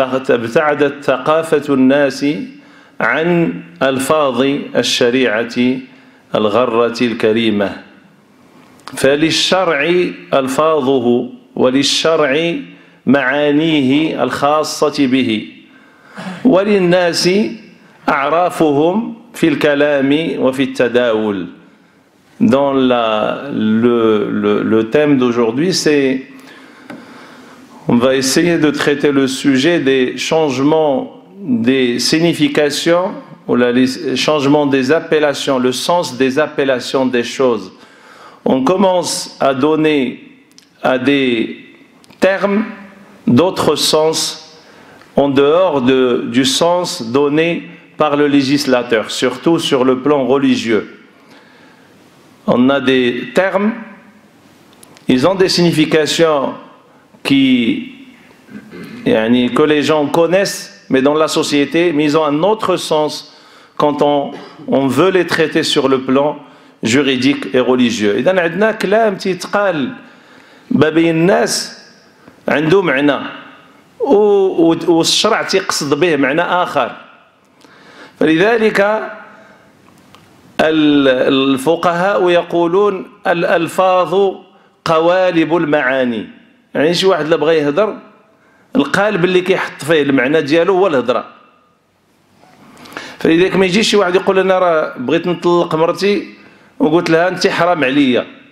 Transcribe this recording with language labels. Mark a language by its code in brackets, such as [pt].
[ar] ابتعدت ثقافة الناس عن ألفاظ الشريعة الغرة الكريمة فللشرع ألفاظه وللشرع معانيه الخاصة به وللناس أعرافهم في الكلام وفي التداول [fr] dans le thème d'aujourd'hui c'est On va essayer de traiter le sujet des changements des significations ou les changements des appellations, le sens des appellations des choses. On commence à donner à des termes d'autres sens en dehors du sens donné par le législateur, surtout sur le plan religieux. On a des termes, ils ont des significations que les gens connaissent, mais dans la société, mais ils ont un autre sens quand on veut les traiter sur le plan juridique et religieux. Et dans le clam, tu te parles, babi nas, [ar] عندو معنى و والشرع تقصد به معنى آخر. فلذلك الفقهاء يقولون الألفاظ قوالب المعاني. يعني شي واحد اللي بغى يهضر القالب اللي كيحط فيه المعنى ديالو هو الهضره فلذلك ما يجيش شي واحد يقول انا راه بغيت نطلق مرتي وقلت لها انت حرام عليا